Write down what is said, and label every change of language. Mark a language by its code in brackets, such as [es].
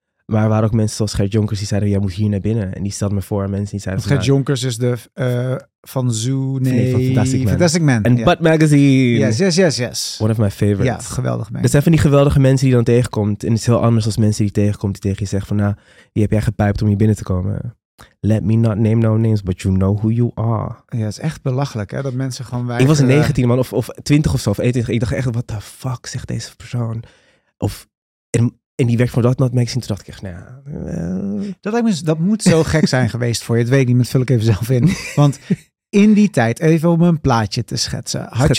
[nl] Maar er waren ook mensen zoals Gert Jonkers die zeiden, jij moet hier naar binnen. En die stelde me voor en mensen die zeiden, want Gert Jonkers is de van Zoo, Fantastic Man. En Butt Magazine. [en] Yes. One of my favorites. [nl] Ja, geweldig man. Dat zijn van die geweldige mensen die dan tegenkomt. En het is heel anders als mensen die tegenkomt die tegen je zegt van, nou, wie heb jij gepijpt om hier binnen te komen? [en] Let me not name no names, but you know who you are. [nl] Ja, het is echt belachelijk hè, dat mensen gewoon wij. Ik was 19 man, of 20 of zo, of 21. Ik dacht echt, [en] what the fuck [nl] zegt deze persoon? En die werkt voor dat magazine, toen dacht ik echt, nou ja. Dat moet zo gek zijn geweest voor je. Dat weet ik niet, maar vul ik even zelf in. Want in die tijd, even om een plaatje te schetsen.